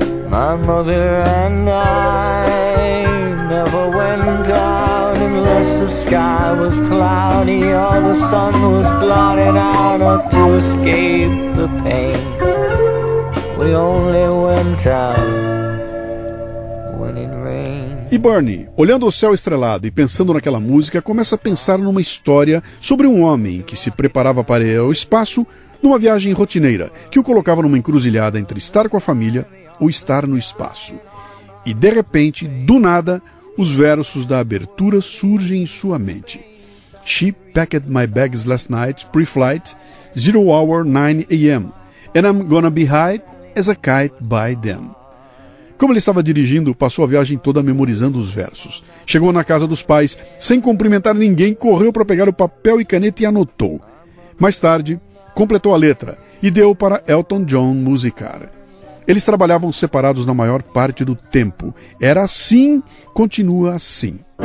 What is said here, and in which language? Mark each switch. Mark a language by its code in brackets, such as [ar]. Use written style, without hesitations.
[en] My mother and I never went out unless the sky was cloudy or the sun was blotted out, or to escape the pain. We only went out when it rained. [pt] E Bernie, olhando o céu estrelado e pensando naquela música, começa a pensar numa história sobre um homem que se preparava para ir ao espaço numa viagem rotineira, que o colocava numa encruzilhada entre estar com a família ou estar no espaço. E de repente, do nada, os versos da abertura surgem em sua mente. [en] She packed my bags last night, pre-flight, 0:09 a.m. And I'm gonna be high as a kite by then. [pt] Como ele estava dirigindo, passou a viagem toda memorizando os versos. Chegou na casa dos pais, sem cumprimentar ninguém, correu para pegar o papel e caneta e anotou. Mais tarde, completou a letra e deu para Elton John musicar. Eles trabalhavam separados na maior parte do tempo. Era assim, continua assim.